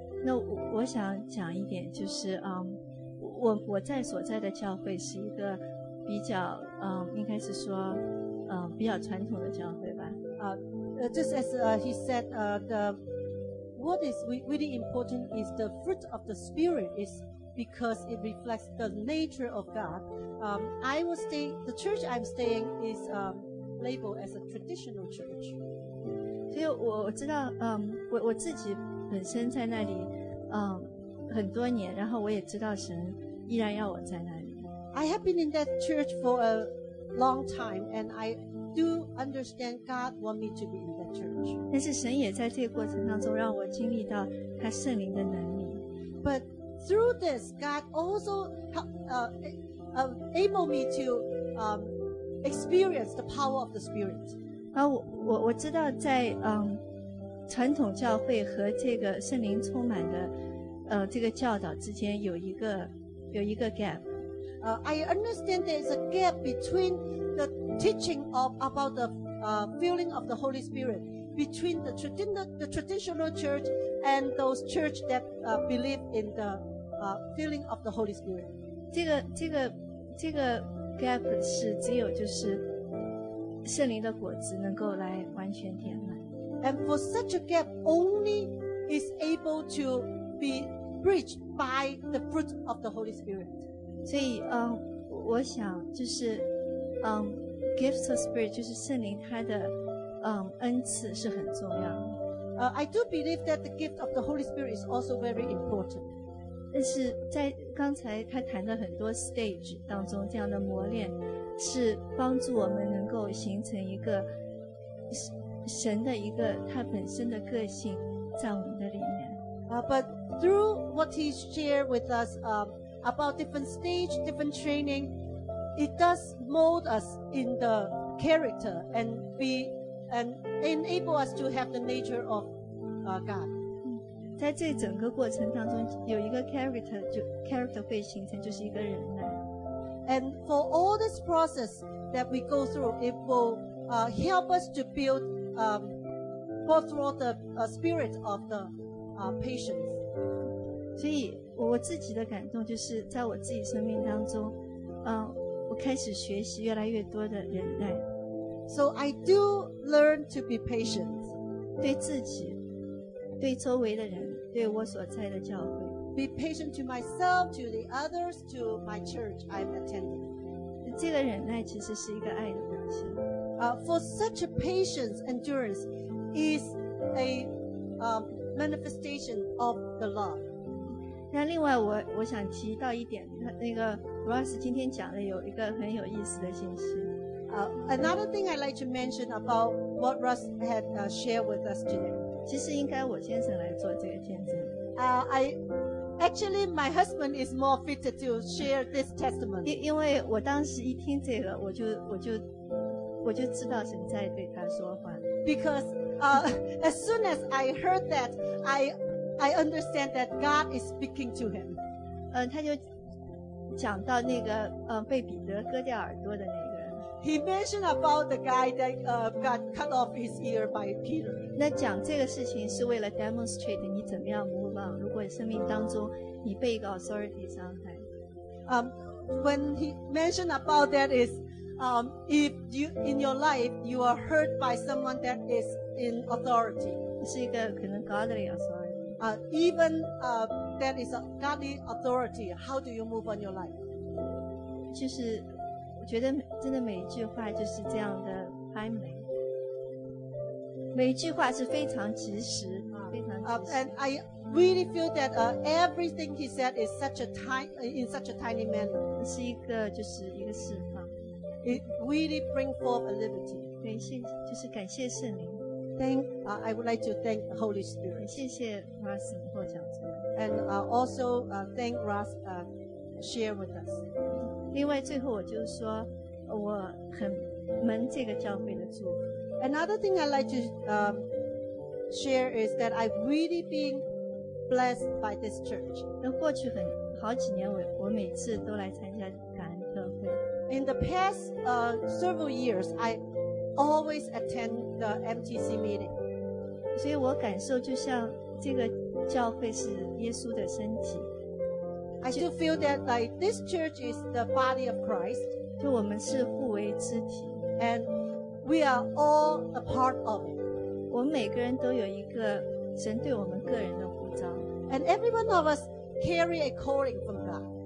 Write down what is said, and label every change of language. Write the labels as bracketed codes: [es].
[zh] 那 我想讲一点就是我在所在的教会是一个比较应该是说比较传统的教会吧。 [en] Just as he said, the what is really important is the fruit of the spirit is because it reflects the nature of God. The church I'm staying is labeled as a traditional church. [zh] 所以我知道，我自己本身在那里，很多年，然后我也知道神依然要我在那里。 [en] I have been in that church for a long time, and I. Do understand God want me to be in the church. [zh] 但是神也在这个过程当中让我经历到他圣灵的能力。 [en] But through this, God also enable me to experience the power of the Spirit. [zh] 我知道在传统教会和这个圣灵充满的这个教导之间有一个 gap. [en] I understand there is a gap between the teaching of about the filling of the Holy Spirit between the traditional church and those church that believe in the filling of the Holy Spirit. [zh] 这个 gap 是只有就是圣灵的果子能够来完全填满。 [en] And for such a gap, only is able to be bridged by the fruit of the Holy Spirit. [zh] 所以我想就是 [en] gifts of spirit [zh] 就是圣灵他的恩赐是很重要的。 [en] I do believe that the gift of the Holy Spirit is also very important. [zh] 但是在刚才他谈的很多 stage 当中这样的磨练是帮助我们能够形成一个神的一个他本身的个性在我们的里面。 [en] But through what he shared with us, about different stage, different training, it does mold us in the character and enable us to have the nature of God. [zh] 在这整个过程当中，有一个 character 就 character 被形成，就是一个忍耐。 [en] And for all this process that we go through, it will help us to build through the spirit of the patience. [zh] 所以。我自己的感动就是在我自己生命当中我开始学习越来越多的忍耐。 [en] So I do learn to be patient. [zh] 对自己，对周围的人，对我所在的教会。 [en] Be patient to myself, to the others, to my church I'm attending. [zh] 这个忍耐其实是一个爱的表现。 [en] For such a patience, endurance is a manifestation of the love. [zh] 那另外我想提到一点，那个 Ross 今天讲的有一个很有意思的信息。 [en] Another thing I'd like to mention about what Ross had shared with us today. [zh] 其实应该我先生来做这个见证。 [en] Actually my husband is more fitted to share this testimony. [zh] 因为我当时一听这个，我就知道神在对他说话。 [en] Because as soon as I heard that, I understand that God is speaking to him. [zh] 他就讲到那个被彼得割掉耳朵的那个。 [en] He mentioned about the guy that got cut off his ear by Peter. [zh] 那讲这个事情是为了 demonstrate 你怎么样 [en] move on， [zh] 如果生命当中你被一个 authority 伤害。 [en] When he mentioned about that is, if you in your life you are hurt by someone that is in authority， [zh] 是一个可能 [en] godly authority。 Even that is a godly authority, how do you move on your life? [zh] 就是我觉得真的每一句话就是这样的暧昧，每一句话是非常及时，非常及时。 [en] And I really feel that everything he said is in such a tiny manner. [zh] 是一个就是一个释放。 [en] It really bring forth a liberty. [zh] 感谢，就是感谢圣灵。 [en] I would like to thank the Holy Spirit. [zh] 谢谢 Ross 幕后讲座。 [en] And also thank Ross share with us. [zh] 另外最后我就说我很蒙这个教会的祝福。 [en] Another thing I'd like to share is that I've really been blessed by this church. [zh] 那过去很好几年我每次都来参加感恩特会。 [en] In the past several years, I always attend the MTC meeting. [zh] 所以我感受就像这个教会是耶稣的身体。 [en] I do feel that like this church is the body of Christ. [zh] 就我们是互为肢体。 [en] And we are all a part of. [zh] 我们每个人都有一个神对我们个人的呼召。 [en] And every one of us carry a calling from God.